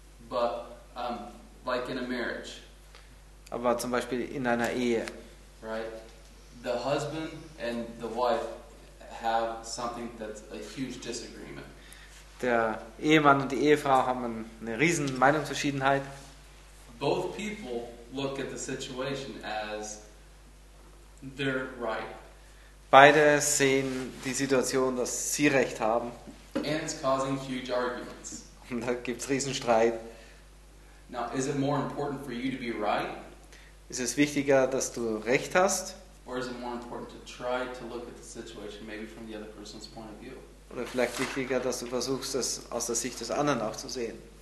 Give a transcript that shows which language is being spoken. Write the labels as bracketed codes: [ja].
[en] But like in a marriage. [de] Aber zum Beispiel in einer Ehe. [en] Right? The husband and the wife have something that's a huge disagreement. [de] Der Ehemann und die Ehefrau haben eine riesen Meinungsverschiedenheit. [en] Both people look at the situation as they're right. [de] Beide sehen die Situation, dass sie recht haben. [en] And it's causing huge arguments. [de] Und da gibt's riesen Streit. [en] Now, is it more important for you to be right? [de] Ist es wichtiger, dass du recht hast? [en] Or is it more important to try to look at the situation maybe from the other person's point of view? [de] Oder vielleicht wichtiger, dass du versuchst, das aus der Sicht des anderen auch zu sehen.